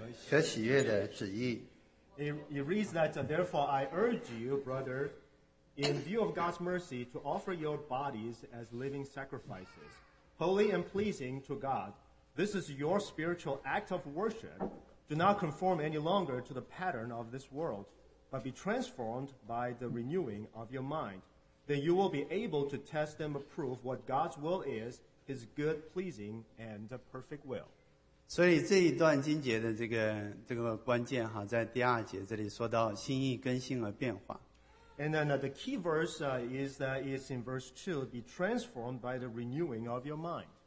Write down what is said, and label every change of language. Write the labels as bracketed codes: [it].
[zh] 所以弟兄们，我以神的慈悲劝你们，将身体献上，当作活祭，是圣洁的，是神所喜悦的。你们如此侍奉，乃是理所当然的。不要效法这个世界，只要心意更新而变化，叫你们查验何为神的善良、纯全和喜悦的旨意。 [en] It reads that, therefore, I urge you, brother, in view of God's mercy, to offer your bodies as living sacrifices, holy and pleasing to God. This is your spiritual act of worship. Do not conform any longer to the pattern of this world, but be transformed by the renewing of your mind. Then you will be able to test and approve what God's will is, his good, pleasing, and the perfect will. [zh] 所以这一段经节的这个关键哈，在第二节这里说到心意更新而变化。 [en] And then the key verse is that it's in verse 2, be transformed by the renewing of your mind.